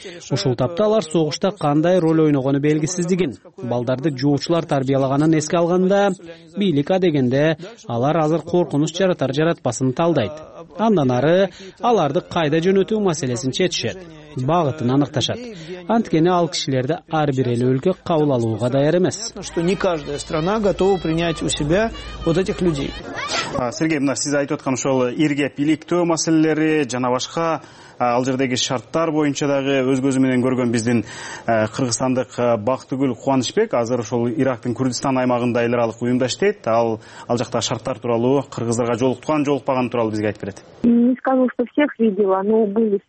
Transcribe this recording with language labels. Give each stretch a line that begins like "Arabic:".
Kyrgyz: Ушул тапта алар согушта кандай роль ойногону белгисиздигин, балдарды жоочулар тарбиялаганын эске алганда, бийлик адегенде алар азыр коркунуч жаратар жаратпасын талдайт. Андан ары аларды кайда жөнөтүү маселесин чечишет, багытын аныкташат. Анткени ал кишилерди ар бир эле өлкө кабыл алууга даяр эмес.
Russian: Что не каждая страна готова принять у себя вот этих людей.
Kyrgyz: Сергей, мына сиз айтып аткан ошол иргеп иликтөө маселелери жана башка ал жердеги шарттар боюнча дагы өз көзү менен көргөн биздин кыргызстандык Бактыгүл Кубанычбек азыр ошол Ирактын Курдистан аймагында эл аралык уюмда иштейт. Ал жакта шарттар тууралуу, кыргыздарга жолуккан жолукпаган тууралуу бизге айтып берет.